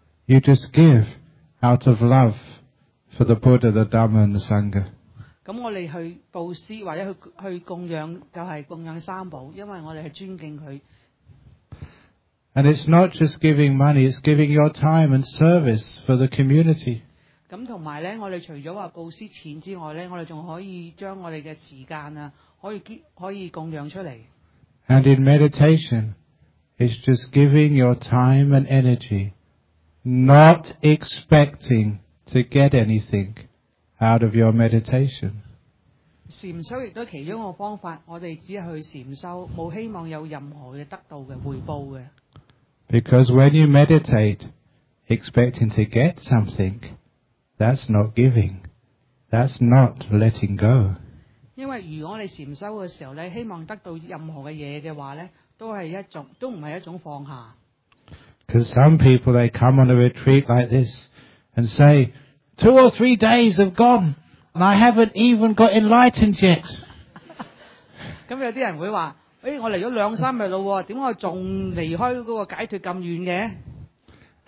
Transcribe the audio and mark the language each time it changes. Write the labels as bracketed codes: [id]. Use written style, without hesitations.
[en] You just give out of love for the Buddha, the Dhamma, and the Sangha. [yue] 咁我哋去布施或者去供养，就系供养三宝，因为我哋系尊敬佢。 [en] And it's not just giving money, it's giving your time and service for the community. [yue] 咁同埋咧，我哋除咗话布施钱之外咧，我哋仲可以将我哋嘅时间啊，可以供养出嚟。 [en] And in meditation, it's just giving your time and energy, not expecting to get anything out of your meditation. [yue] 禅修亦都其中一个方法，我哋只系去禅修，冇希望有任何嘅得到嘅回报嘅。 [en] Because when you meditate, expecting to get something, that's not giving. That's not letting go. [yue] 因为如果我哋禅修嘅时候咧，希望得到任何嘅嘢嘅话咧，都唔系一种放下。 [en] Because some people they come on a retreat like this and say, two or three days have gone, and I haven't even got enlightened yet. [yue] 咁有啲人会话。哎、我嚟咗两三日咯，点解我仲离开嗰个解脱咁远嘅